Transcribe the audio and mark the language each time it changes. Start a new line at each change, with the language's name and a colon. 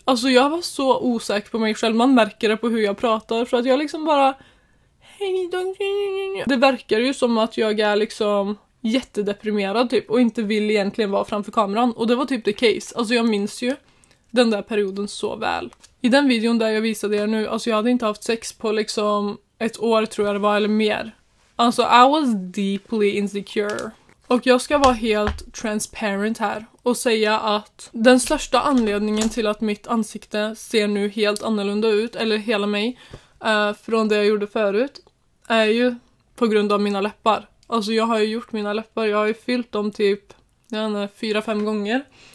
Swedish: Alltså jag var så osäker på mig själv. Man märker det på hur jag pratar. För att jag liksom bara... Hej då. Det verkar ju som att jag är liksom jättedeprimerad typ. Och inte vill egentligen vara framför kameran. Och det var typ
English: the case.
Swedish: Alltså jag minns ju den där perioden så väl. I den videon där jag visade er nu. Alltså jag hade inte haft sex på liksom ett år tror jag det var. Eller mer. Alltså
English: I was deeply insecure.
Swedish: Och jag ska vara helt transparent här. Och säga att den största anledningen till att mitt ansikte ser nu helt annorlunda ut, eller hela mig, från det jag gjorde förut, är ju på grund av mina läppar. Alltså jag har ju gjort mina läppar, jag har ju fyllt dem typ 4-5 gånger.